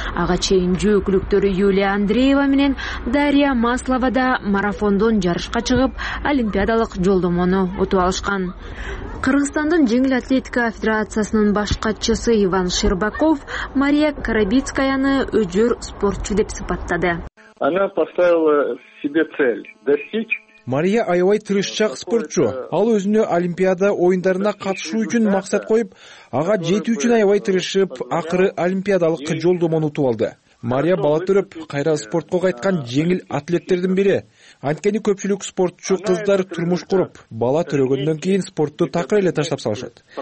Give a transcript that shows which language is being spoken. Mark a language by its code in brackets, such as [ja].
[ky] Ага чейин жөөкүлүктөрү Юлия Андреева менен Дарья Маслова да марафондон жарышка чыгып, олимпиадалык жолдомону утуп алышкан. Кыргызстандын жеңил атлетика федерациясынын баш катчысы Иван Шербаков Мария Карабицкаяны өжөр спортчу деп сыпаттады. [ru] Она поставила себе цель достичь. [ky] Мария аябай тырышчак спортчу. Ал өзүнө Олимпиада оюндарына катышуу үчүн максат коюп, ага жетүү үчүн аябай тырышып, акыры олимпиадалык жолдомону утуп алды. Мария бала туруп кайра спортко кайткан жеңил атлеттердин бири. Анткени көпчүлүк спортчу кыздар турмуш куруп, бала төрөгөндөн кийин спортту такыр эле таштап салышат.